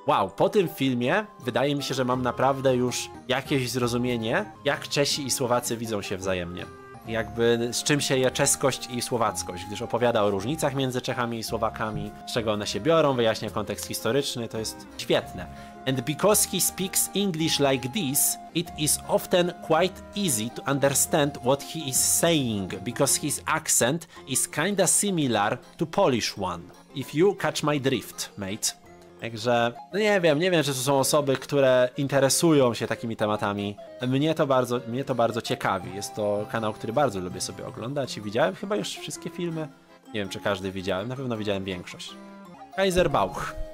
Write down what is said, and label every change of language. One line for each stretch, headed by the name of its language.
Polish: Wow, po tym filmie wydaje mi się, że mam naprawdę już jakieś zrozumienie, jak Czesi i Słowacy widzą się wzajemnie. Jakby z czym się je czeskość i słowackość, gdyż opowiada o różnicach między Czechami i Słowakami, z czego one się biorą, wyjaśnia kontekst historyczny, to jest świetne.
English: And because he speaks English like this, it is often quite easy to understand what he is saying, because his accent is kinda similar to Polish one. If you catch my drift, mate.
Polish: Także, no nie wiem, czy to są osoby, które interesują się takimi tematami. Mnie to bardzo ciekawi. Jest to kanał, który bardzo lubię sobie oglądać i widziałem chyba już wszystkie filmy. Nie wiem, czy każdy widziałem, na pewno widziałem większość. Kaiser Bauch.